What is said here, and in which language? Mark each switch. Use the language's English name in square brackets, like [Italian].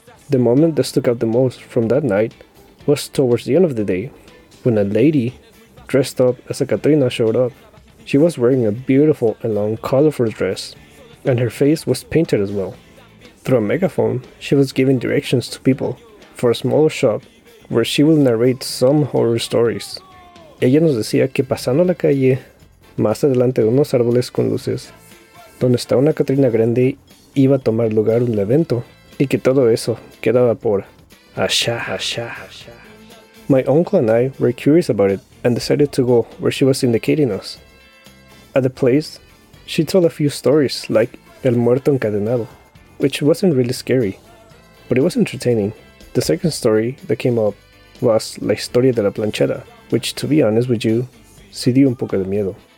[English] The moment that stuck out the most from that night was towards the end of the day, when a lady dressed up as a Catrina showed up. She was wearing a beautiful and long colorful dress, and her face was painted as well. Through a megaphone, she was giving directions to people for a smaller shop where she would narrate some horror stories. [Spanish] Ella nos decía que pasando la calle, más adelante de unos árboles con luces, donde está una Catrina grande, iba a tomar lugar un evento, y que todo eso quedaba por allá, allá, allá. [English] My uncle and I were curious about it and decided to go where she was indicating us. At the place, she told a few stories like El Muerto Encadenado, which wasn't really scary, but it was entertaining. The second story that came up was La Historia de la Planchera, which, to be honest with you, [Spanish] sí dio un poco de miedo.